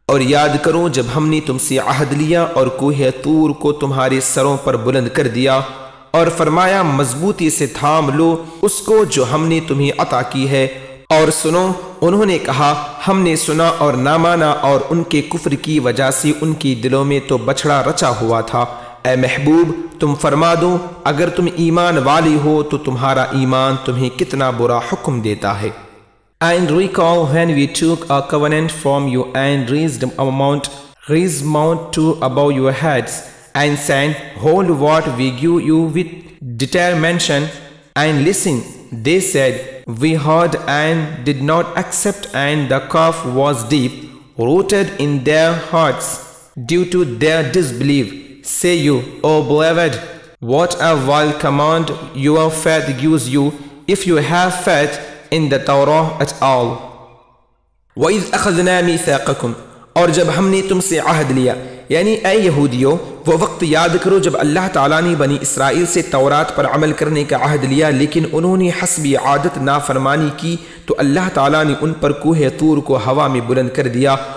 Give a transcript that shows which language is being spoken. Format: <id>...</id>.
<ur>اور یاد کرو جب ہم نے تم سے عہد لیا اور کوہ طور کو تمہارے سروں پر بلند کر دیا اور فرمایا مضبوطی سے تھام لو اس کو جو ہم نے تمہیں عطا کی ہے، اور سنو انہوں نے کہا ہم نے سنا اور نہ مانا، اور ان کے کفر کی وجہ سے ان کی دلوں میں تو بچھڑا رچا ہوا تھا. اے محبوب، تم فرما دو اگر تم ایمان والی ہو تو تمہارا ایمان تمہیں کتنا برا حکم دیتا ہے.</ur> <en>And recall when we took a covenant from you and raised a mount to above your heads and said hold what we give you with determination and listen. They said we heard and did not accept and the calf was deep rooted in their hearts due to their disbelief. Say you, O beloved, what a wild command your faith gives you if you have faith in the Torah at all.</en> <ar>وَإِذْ أَخَذْنَا مِيثَاقَكُمْ،</ar> <ur>اور جب ہم نے تم سے عہد لیا، یعنی اے یہودیو وہ وقت یاد کرو جب اللہ تعالیٰ نے بنی اسرائیل سے تورات پر عمل کرنے کا عہد لیا لیکن انہوں نے حسب عادت نافرمانی کی تو اللہ تعالیٰ نے ان پر کوہ طور کو ہوا میں بلند کر دیا</ur>